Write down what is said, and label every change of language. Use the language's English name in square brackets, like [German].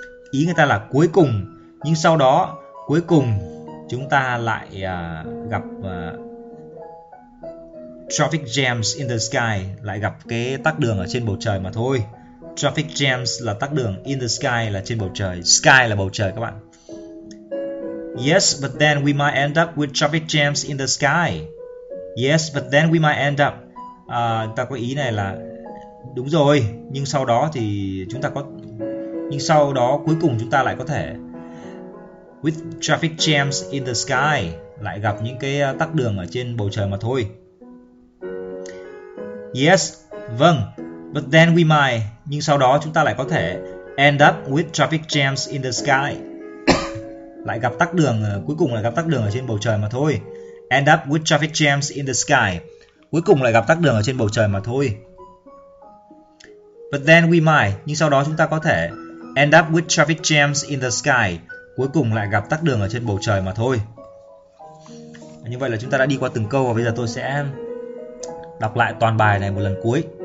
[Vietnamese] Ý người ta là cuối cùng, nhưng sau đó, cuối cùng chúng ta lại gặp [English] traffic jams in the sky, [Vietnamese] lại gặp cái tắc đường ở trên bầu trời mà thôi. Traffic jams là tắc đường, [English] in the sky [Vietnamese] là trên bầu trời, sky là bầu trời các bạn. [English] Yes, but then we might end up with traffic jams in the sky. Yes, but then we might end up. [Vietnamese] À, ta có ý này là đúng rồi, nhưng sau đó thì chúng ta có nhưng sau đó cuối cùng chúng ta lại có thể [English] with traffic jams in the sky, [Vietnamese] lại gặp những cái tắc đường ở trên bầu trời mà thôi. [English] Yes, [Vietnamese] vâng, [English] but then we might, [Vietnamese] nhưng sau đó chúng ta lại có thể [English] end up with traffic jams in the [Vietnamese] lại gặp tắc đường, cuối cùng lại gặp tắc đường ở trên bầu trời mà thôi. [English] End up with traffic jams in the sky. [Vietnamese] Cuối cùng lại gặp tắc đường ở trên bầu trời mà thôi. [English] But then we might, [Vietnamese] nhưng sau đó chúng ta có thể [English] end up with traffic jams in the sky. [Vietnamese] Cuối cùng lại gặp tắc đường ở trên bầu trời mà thôi. Như vậy là chúng ta đã đi qua từng câu và bây giờ tôi sẽ đọc lại toàn bài này một lần cuối.